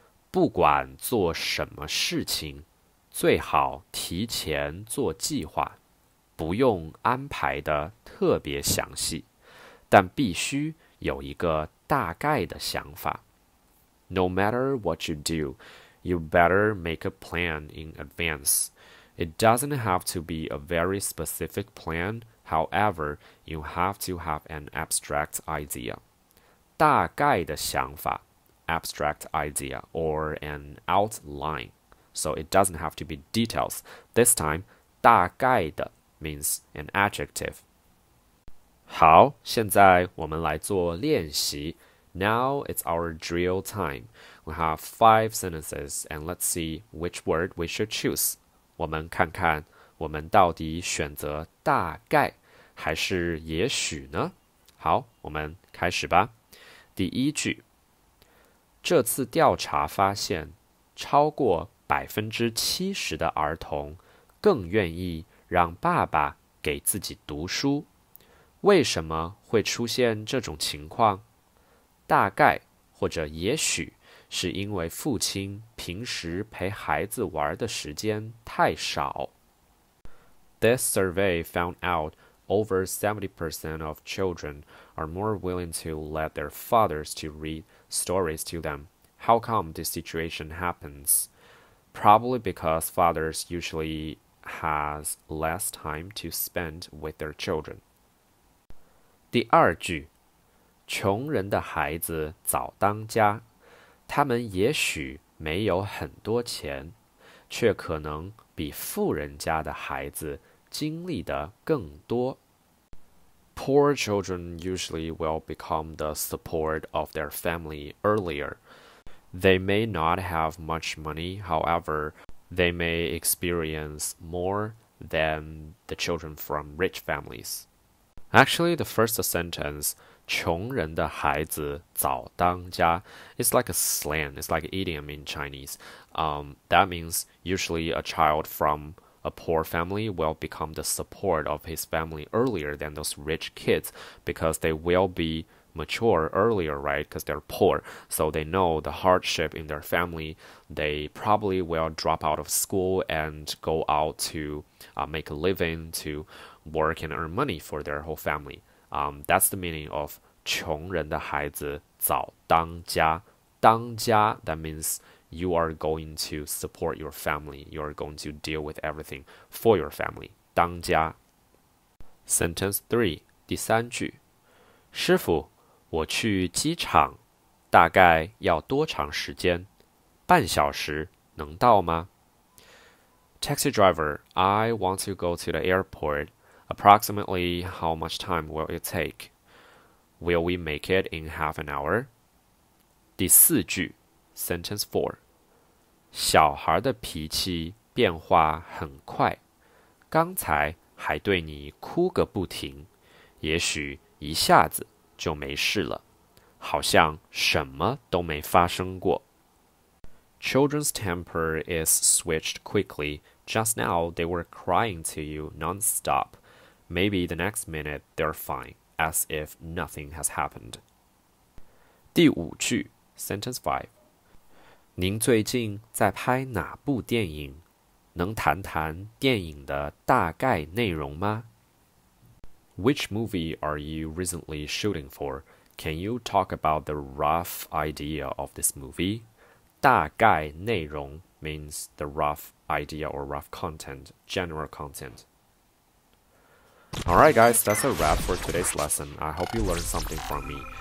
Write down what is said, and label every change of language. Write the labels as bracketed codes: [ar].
[zh] 不管做什么事情,最好提前做计划,不用安排的特别详细,但必须有一个大概的想法。 [en] No matter what you do, you better make a plan in advance. It doesn't have to be a very specific plan, however, you have to have an abstract idea. [zh] 大概的想法, [en] abstract idea, or an outline. So it doesn't have to be details. This time, 大概的 means an adjective. [zh] 好,现在我们来做练习。 [en] Now it's our drill time. We have 5 sentences and let's see which word we should choose. [zh] 我们看看我们到底选择大概还是也许呢？好，我们开始吧。第一句，这次调查发现，超过 70% 的儿童更愿意让爸爸给自己读书。为什么会出现这种情况？大概或者也许是因为父亲平时陪孩子玩的时间太少。 [en] This survey found out over 70% of children are more willing to let their fathers to read stories to them. How come this situation happens? Probably because fathers usually has less time to spend with their children. [zh] 第二句，穷人的孩子早当家，他们也许没有很多钱，却可能比富人家的孩子经历的更多。 [en] Poor children usually will become the support of their family earlier. They may not have much money, however, they may experience more than the children from rich families. Actually, the first sentence, [zh] 穷人的孩子早当家 [en] It's like a slang, it's like an idiom in Chinese. That means usually a child from a poor family will become the support of his family earlier than those rich kids because they will be mature earlier, right? Because they're poor. So they know the hardship in their family. They probably will drop out of school and go out to make a living, to work and earn money for their whole family. That's the meaning of [zh] 穷人的孩子早当家。 [en] 当家, that means you are going to support your family. You are going to deal with everything for your family. [zh] 当家。 [en] Sentence 3, [zh] 第三句。师傅,我去机场,大概要多长时间? 半小时能到吗? [en] Taxi driver, I want to go to the airport. Approximately how much time will it take? Will we make it in half an hour? [zh] 第四句, [en] sentence 4. [zh] 小孩的脾气变化很快。刚才还对你哭个不停。也许一下子就没事了。好像什么都没发生过。 [en] Children's temper is switched quickly. Just now they were crying to you non-stop. Maybe the next minute they're fine, as if nothing has happened. [zh] 第五句, [en] sentence 5. [zh] 您最近在拍哪部电影? 能谈谈电影的大概内容吗? [en] Which movie are you recently shooting for? Can you talk about the rough idea of this movie? 大概内容 means the rough idea or rough content, general content. Alright guys, that's a wrap for today's lesson. I hope you learned something from me.